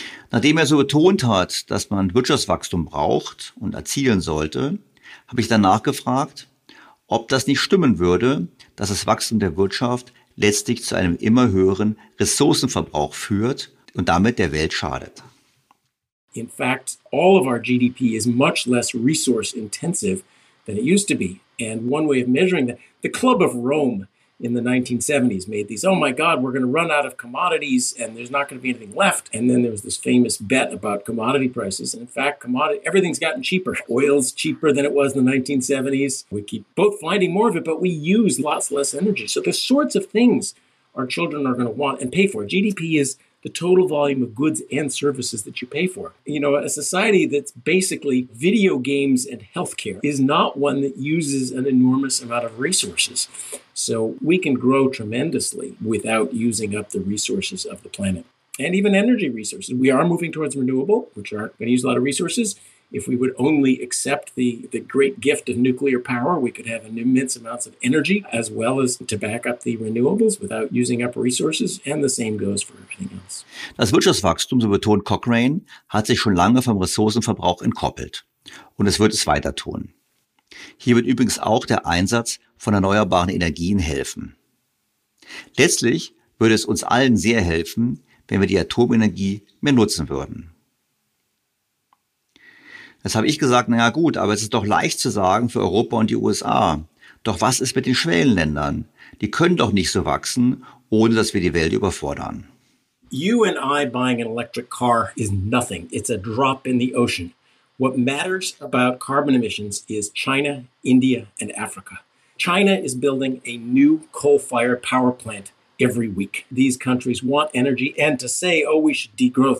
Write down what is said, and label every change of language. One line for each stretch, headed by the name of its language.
German: Nachdem er so betont hat, dass man Wirtschaftswachstum braucht und erzielen sollte, habe ich danach gefragt, ob das nicht stimmen würde, dass das Wachstum der Wirtschaft letztlich zu einem immer höheren Ressourcenverbrauch führt und damit der Welt schadet.
English: In fact, all of our GDP is much less resource intensive than it used to be. And one way of measuring that, the Club of Rome in the 1970s made these, oh my God, we're going to run out of commodities and there's not going to be anything left. And then there was this famous bet about commodity prices. And in fact, everything's gotten cheaper. Oil's cheaper than it was in the 1970s. We keep both finding more of it, but we use lots less energy. So the sorts of things our children are going to want and pay for. GDP is the total volume of goods and services that you pay for. You know, a society that's basically video games and healthcare is not one that uses an enormous amount of resources. So we can grow tremendously without using up the resources of the planet. and even energy resources. We are moving towards renewable, which aren't going to use a lot of resources. If we would only accept the great gift of nuclear power, we could have immense amounts of energy as well as to back up the renewables without using up resources. And the same goes for everything else.
German: Das Wirtschaftswachstum, so betont Cochrane, hat sich schon lange vom Ressourcenverbrauch entkoppelt. Und es wird es weiter tun. Hier wird übrigens auch der Einsatz von erneuerbaren Energien helfen. Letztlich würde es uns allen sehr helfen, wenn wir die Atomenergie mehr nutzen würden. Das habe ich gesagt, naja gut, aber es ist doch leicht zu sagen für Europa und die USA. Doch was ist mit den Schwellenländern? Die können doch nicht so wachsen, ohne dass wir die Welt überfordern.
English: You and I buying an electric car is nothing. It's a drop in the ocean. What matters about carbon emissions is China, India and Africa. China is building a new coal-fired power plant every week. These countries want energy and to say, oh, we should degrowth.